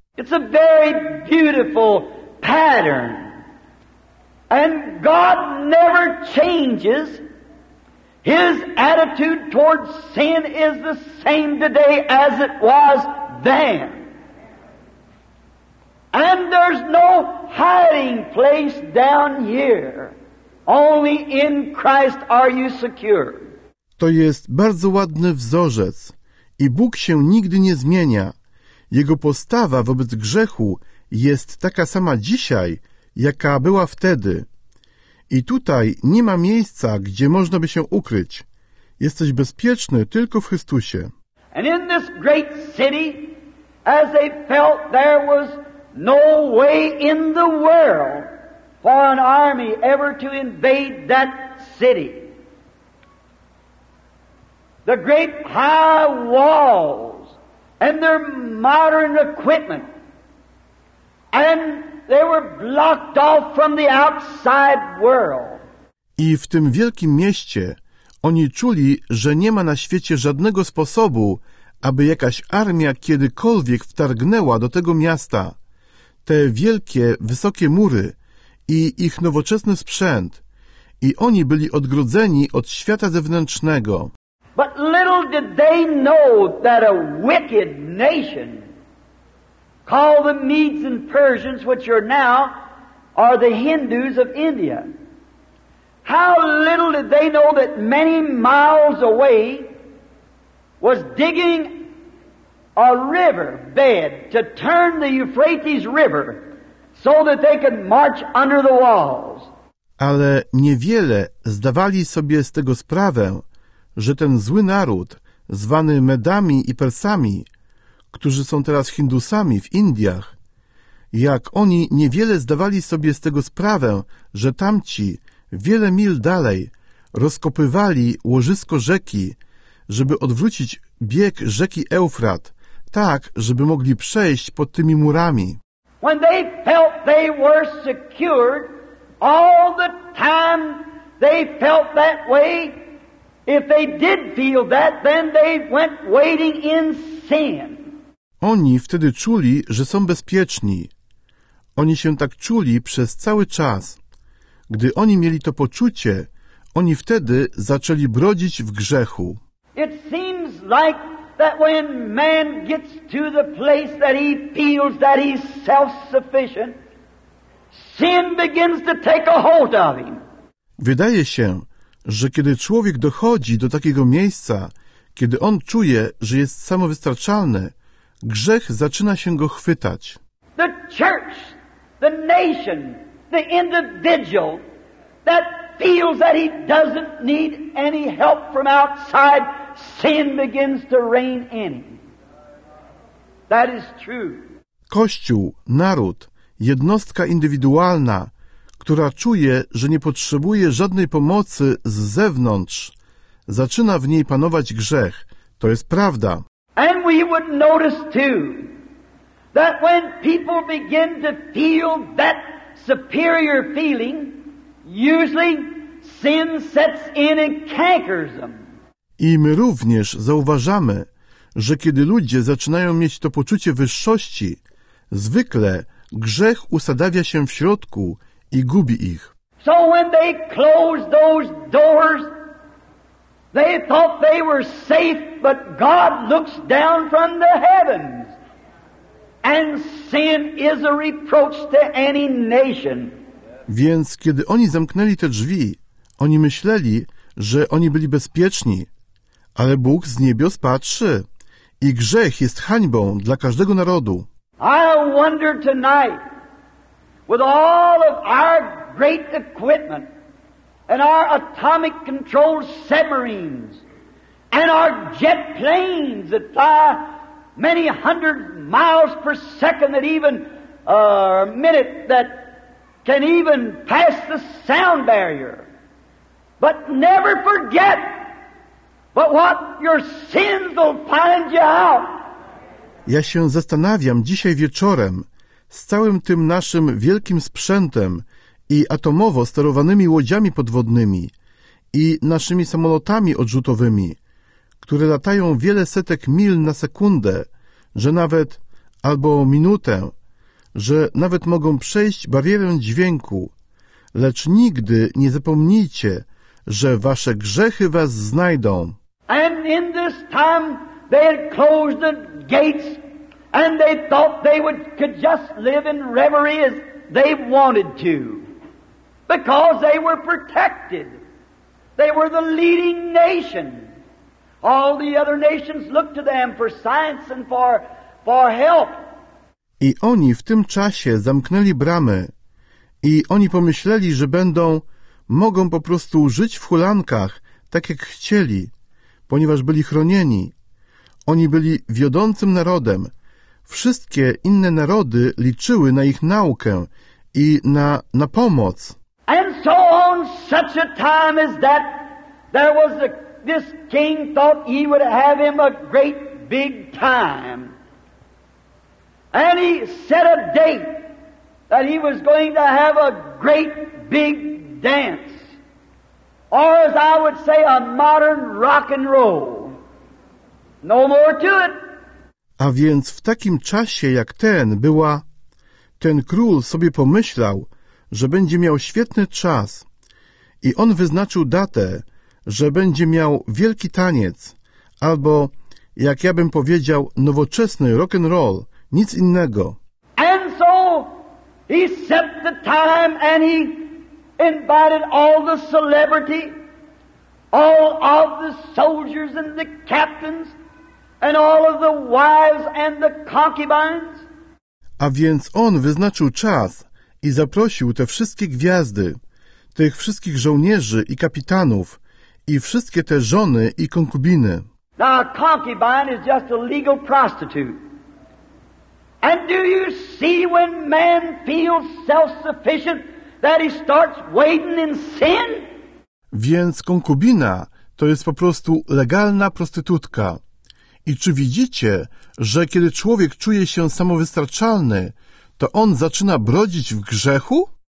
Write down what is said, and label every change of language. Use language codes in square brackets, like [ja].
[en] It's a very beautiful pattern. And God never changes. His attitude towards sin is the same today as it was then. And there's no hiding place down here. Only in Christ are you secure. [pl] To jest bardzo ładny wzorzec. I Bóg się nigdy nie zmienia. Jego postawa wobec grzechu jest taka sama dzisiaj, jaka była wtedy. I tutaj nie ma miejsca, gdzie można by się ukryć. Jesteś bezpieczny tylko w Chrystusie. [en] And in this great city, as they felt there was no way in the world for an army ever to invade that city. The great high walls and their modern equipment, and they were blocked off from the outside world. [pl] I w tym wielkim mieście oni czuli, że nie ma na świecie żadnego sposobu, aby jakaś armia kiedykolwiek wtargnęła do tego miasta. Te wielkie, wysokie mury i ich nowoczesny sprzęt, i oni byli odgrodzeni od świata zewnętrznego. [en] But little did they know that a wicked nation called the Medes and Persians, which are now are the Hindus of India. How little did they know that many miles away was digging a river bed to turn the Euphrates River so that they could march under the walls. [pl] Ale niewiele zdawali sobie z tego sprawę, że ten zły naród, zwany Medami i Persami, którzy są teraz Hindusami w Indiach, jak oni niewiele zdawali sobie z tego sprawę, że tamci, wiele mil dalej, rozkopywali łożysko rzeki, żeby odwrócić bieg rzeki Eufrat, tak, żeby mogli przejść pod tymi murami. [en] When they felt they were secured, all the time they felt that way. If they did feel that, then they went wading in sin. [pl] Oni wtedy czuli, że są bezpieczni. Oni się tak czuli przez cały czas. Gdy oni mieli to poczucie, oni wtedy zaczęli brodzić w grzechu. [en] It seems like that when man gets to the place that he feels that he's self-sufficient, sin begins to take a hold of him. [pl] Wydaje się, że kiedy człowiek dochodzi do takiego miejsca, kiedy on czuje, że jest samowystarczalny, grzech zaczyna się go chwytać. [en] The church, the nation, the individual that feels that he doesn't need any help from outside, sin begins to reign in him. That is true. [pl] Kościół, naród, jednostka indywidualna, która czuje, że nie potrzebuje żadnej pomocy z zewnątrz, zaczyna w niej panować grzech. To jest prawda. [en] And we would notice too that when people begin to feel that superior feeling, usually sin sets in and cankers them. [pl] I my również zauważamy, że kiedy ludzie zaczynają mieć to poczucie wyższości, zwykle grzech usadawia się w środku i gubi ich. [en] So when they close those doors, they thought they were safe, but God looks down from the heavens, and sin is a reproach to any nation. [pl] Więc kiedy oni zamknęli te drzwi, oni myśleli, że oni byli bezpieczni, ale Bóg z niebios patrzy i grzech jest hańbą dla każdego narodu. [en] I wonder tonight, with all of our great equipment and our atomic control submarines and our jet planes that fly many hundred miles per second that even a minute that can even pass the sound barrier. But never forget but what your sins will find you out. [pl] Ja się zastanawiam dzisiaj wieczorem z całym tym naszym wielkim sprzętem i atomowo sterowanymi łodziami podwodnymi i naszymi samolotami odrzutowymi, które latają wiele setek mil na sekundę, że nawet, albo minutę, że nawet mogą przejść barierę dźwięku, lecz nigdy nie zapomnijcie, że wasze grzechy was znajdą. [en] And in this time they had closed the gates and they thought they would could just live in reverie as they wanted to. Because they were protected. They were the leading nation. All the other nations looked to them for science and for help. [pl] I oni w tym czasie zamknęli bramy i oni pomyśleli, że będą, mogą po prostu żyć w hulankach, tak jak chcieli, ponieważ byli chronieni. Oni byli wiodącym narodem. Wszystkie inne narody liczyły na ich naukę i na pomoc. [en] And so on such a time as that, there was a, this king thought he would have him a great big time. And he set a date that he was going to have a great big dance. Or as I would say, a modern rock and roll. No more to it. [pl] A więc w takim czasie jak ten była, ten król sobie pomyślał, że będzie miał świetny czas i on wyznaczył datę, że będzie miał wielki taniec albo, jak ja bym powiedział, nowoczesny rock and roll, nic innego. [en] And so he set the time and he invited all the celebrity, all of the soldiers and the captains and all of the wives and the concubines. [pl] A więc on wyznaczył czas i zaprosił te wszystkie gwiazdy, tych wszystkich żołnierzy i kapitanów i wszystkie te żony i konkubiny. [en] Now, a concubine is just a legal prostitute. And do you see when man feels self-sufficient that he starts wading in sin? [pl] Więc konkubina to jest po prostu legalna prostytutka. I czy widzicie, że kiedy człowiek czuje się samowystarczalny, to on zaczyna brodzić w grzechu?